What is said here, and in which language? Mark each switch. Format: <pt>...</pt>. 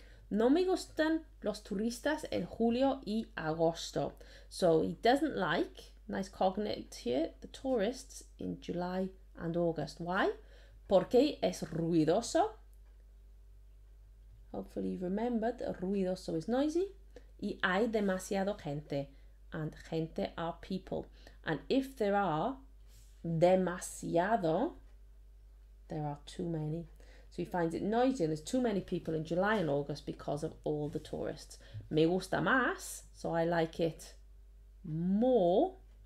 <es>No me gustan los turistas en julio y agosto.</es> <en>So he doesn't like, nice cognate here, the tourists in July and August. Why?</en> <es>Porque es ruidoso.</es> <en>Hopefully you've remembered that ruidoso is noisy.</en> <es>Y hay demasiado gente.</es> <en>And gente are people. And if there are demasiado, there are too many. So he finds it noisy and there's too many people in July and August because of all the tourists.</en> <es>Me gusta más,</es> <en>so I like it more.</en>